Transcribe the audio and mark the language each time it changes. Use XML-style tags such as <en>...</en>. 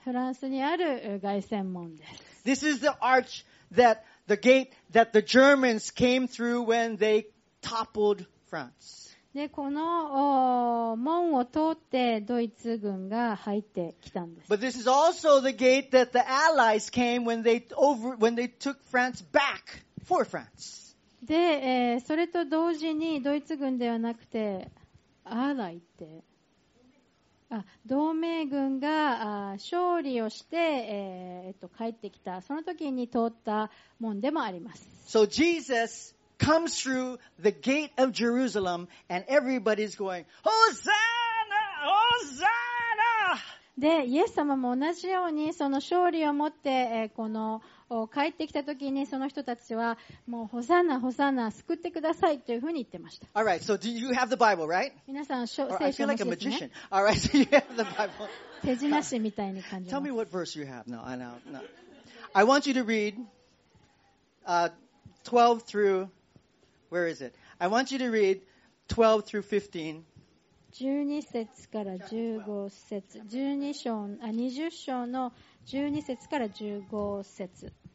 <ja>フランスにある凱旋門です。</ja> <en>This is the arch that the gate that the Germans came through when they toppled France.</en> <ja>で、この門を通ってドイツ軍が入ってきたんです。</ja> <en>But this is also the gate that the Allies came when they took France back for France.</en> <ja>で、それと同時にドイツ軍ではなくてアーライって同盟軍が勝利をして、帰ってきたその時に通った門でもあります。</ja> <en>So Jesus comes through the gate of Jerusalem and everybody's going Hosanna! Hosanna!</en> <ja>で、イエス様も同じようにその勝利を持って、この帰ってきた時にその人たちはもうホサナホサナ救ってくださいというふうに言ってました。</ja> <en>All right, so do you have the Bible, right?</en> <ja>皆さん聖書ですね。</ja> <en>I feel like a magician. All right, so you have the Bible.</en> <ja>手品師みたいに感じます。</ja> <en>Tell me what verse you have. No, I know. No. I want you to read 12 through where is it? I want you to read 12 through 15.</en> <ja>12節から15節12章あ20章の12節から15節</ja>